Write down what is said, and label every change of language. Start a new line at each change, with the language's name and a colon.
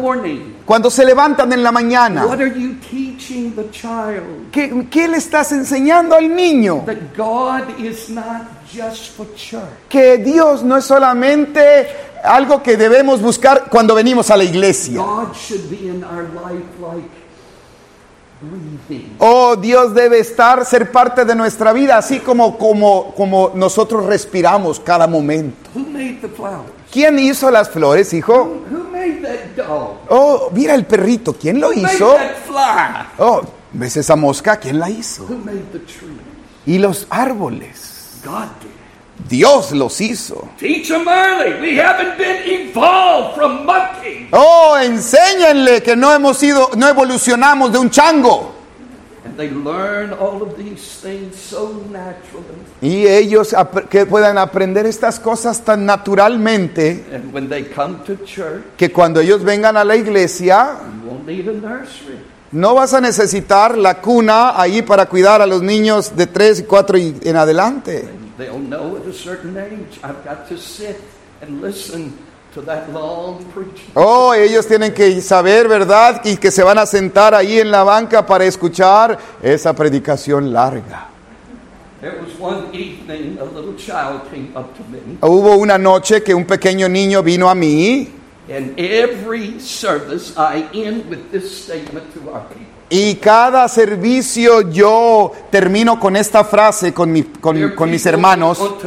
English: Morning,
Spanish: cuando se levantan en la mañana.
English: What are you teaching the child?
Spanish: ¿Qué le estás enseñando al niño?
English: That God is not just for church.
Spanish: Que Dios no es solamente algo que debemos buscar cuando venimos a la iglesia.
English: God should be in our life like breathing.
Spanish: Oh, Dios debe estar, ser parte de nuestra vida, así como nosotros respiramos cada momento.
English: Who made the flowers?
Spanish: ¿Quién hizo las flores, hijo?
English: Who made that dog?
Spanish: Oh, mira el perrito, ¿quién lo
English: Who
Spanish: hizo?
English: Made that fly?
Spanish: Oh, ¿ves esa mosca? ¿Quién la hizo?
English: Who made the trees?
Spanish: ¿Y los árboles?
English: God did.
Spanish: Dios los hizo.
English: Teach them early. We haven't been evolved from monkey.
Spanish: Oh, enséñenle que no evolucionamos de un chango.
English: And they learn all of these things so naturally.
Spanish: Y ellos que puedan aprender estas cosas tan naturalmente.
English: And when they come to church,
Spanish: que cuando ellos vengan a la iglesia,
English: you won't need a nursery.
Spanish: No vas a necesitar la cuna ahí para cuidar a los niños de 3 y 4 y en adelante.
English: They'll know at a certain age, I've got to sit and listen to that long preaching.
Spanish: Oh, ellos tienen que saber, ¿verdad? Y que se van a sentar ahí en la banca para escuchar esa predicación larga.
English: There was one evening, a little child came up to me.
Spanish: Hubo una noche que un pequeño niño vino a mí.
English: And every service, I end with this statement to our people.
Spanish: Y cada servicio yo termino con esta frase con mis hermanos.